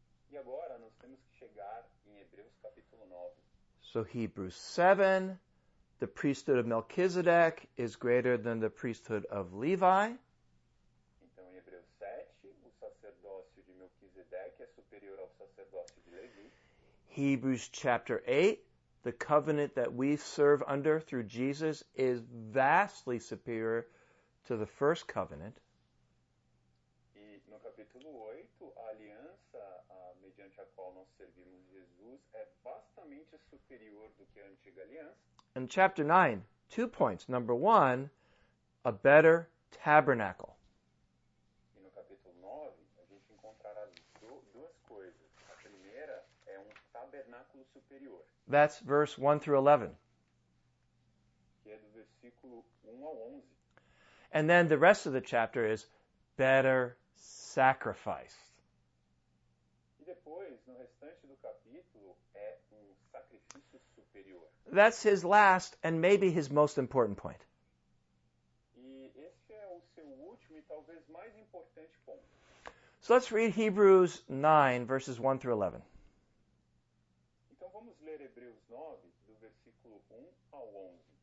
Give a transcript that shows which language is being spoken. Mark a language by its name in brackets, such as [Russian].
[Portuguese] E agora nós temos que chegar em Hebreus capítulo 9. [English] So Hebrews 7, the priesthood of Melchizedek is greater than the priesthood of Levi. [Portuguese] Então em Hebreus 7, o sacerdócio de Melquisedeque é superior ao sacerdócio de Levi. [English] Hebrews chapter 8, the covenant that we serve under through Jesus is vastly superior to the first covenant. [Portuguese] E no capítulo 8, a aliança mediante a qual nós servimos Jesus é vastamente superior do que a antiga aliança. [English] In chapter 9, 2 points. Number one, a better tabernacle. [Portuguese] E no capítulo 9, a gente encontrará duas coisas. A primeira é tabernáculo superior. [English] That's verse 1 through 11. [Portuguese] Que é do versículo 1 ao 11. [English] And then the rest of the chapter is better sacrifice. [Portuguese] E depois, no restante do capítulo, é sacrifício superior. [English] That's his last and maybe his most important point. [Portuguese] E esse é o seu último e talvez mais importante ponto. [English] So let's read Hebrews 9, verses 1 through 11. [Portuguese] Vamos ler Hebreus 9, do versículo 1 ao 11.